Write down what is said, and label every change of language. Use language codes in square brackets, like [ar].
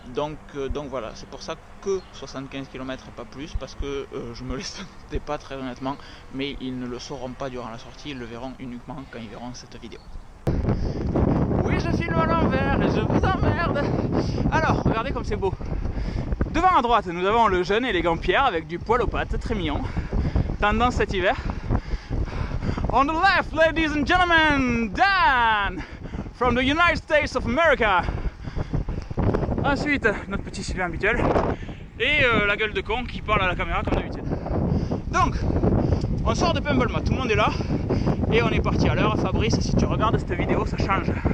[fr] Donc voilà, c'est pour ça que 75 km et pas plus, parce que je me laisse des pas très honnêtement, mais ils ne le sauront pas durant la sortie, ils le verront uniquement quand ils verront cette vidéo. Oui, je filme à l'envers et je vous emmerde. Alors, regardez comme c'est beau. Devant à droite, nous avons le jeune élégant Pierre avec du poil aux pattes, très mignon, tendance cet hiver. [en] On the left, ladies and gentlemen, Dan, from the United States of America. [fr] Ensuite, notre petit Sylvain habituel et la gueule de con qui parle à la caméra comme d'habitude. Donc, on sort de Pimblema, tout le monde est là et on est parti à l'heure. Fabrice, si tu regardes cette vidéo, ça change.